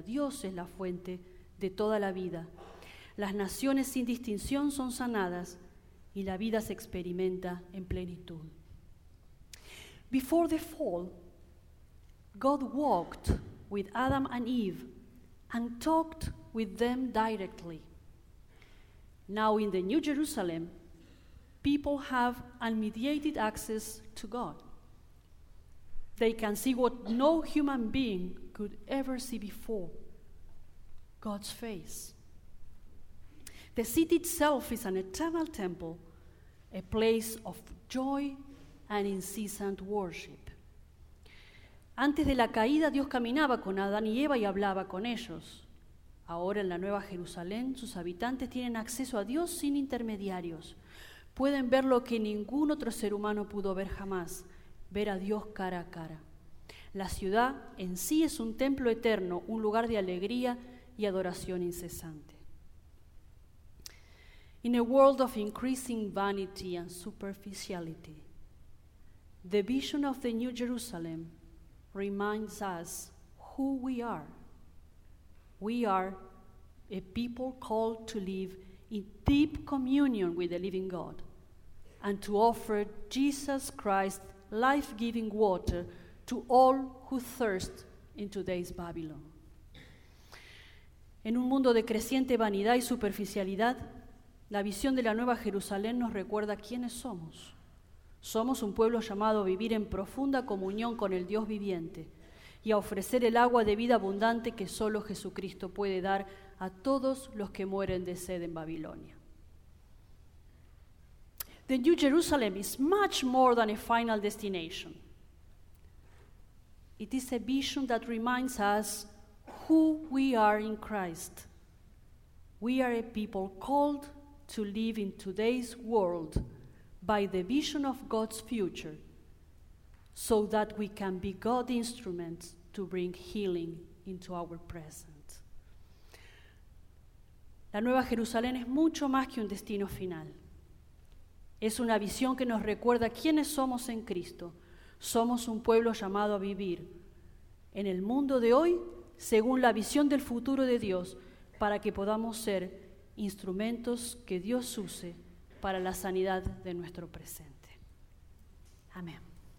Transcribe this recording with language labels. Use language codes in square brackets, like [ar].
[es] Dios es la fuente de toda la vida. Las naciones sin distinción son sanadas y la vida se experimenta en plenitud. [en] Before the fall, God walked with Adam and Eve and talked with them directly. Now in the New Jerusalem, people have unmediated access to God. They can see what no human being could ever see before, God's face. The city itself is an eternal temple, a place of joy and incessant worship. [es] Antes de la caída, Dios caminaba con Adán y Eva y hablaba con ellos. Ahora en la Nueva Jerusalén, sus habitantes tienen acceso a Dios sin intermediarios. Pueden ver lo que ningún otro ser humano pudo ver jamás, ver a Dios cara a cara. La ciudad en sí es un templo eterno, un lugar de alegría y adoración incesante. [en] In a world of increasing vanity and superficiality, the vision of the New Jerusalem reminds us who we are. We are a people called to live in deep communion with the living God and to offer Jesus Christ life-giving water to all who thirst in today's Babylon. [es] En un mundo de creciente vanidad y superficialidad, la visión de la Nueva Jerusalén nos recuerda quiénes somos. Somos un pueblo llamado a vivir en profunda comunión con el Dios viviente y a ofrecer el agua de vida abundante que solo Jesucristo puede dar a todos los que mueren de sed en Babilonia. [en] The New Jerusalem is much more than a final destination. It is a vision that reminds us who we are in Christ. We are a people called to live in today's world by the vision of God's future, so that we can be God's instruments to bring healing into our present. [es] La Nueva Jerusalén es mucho más que un destino final. Es una visión que nos recuerda quiénes somos en Cristo. Somos un pueblo llamado a vivir en el mundo de hoy según la visión del futuro de Dios, para que podamos ser instrumentos que Dios use para la sanidad de nuestro presente. Amén.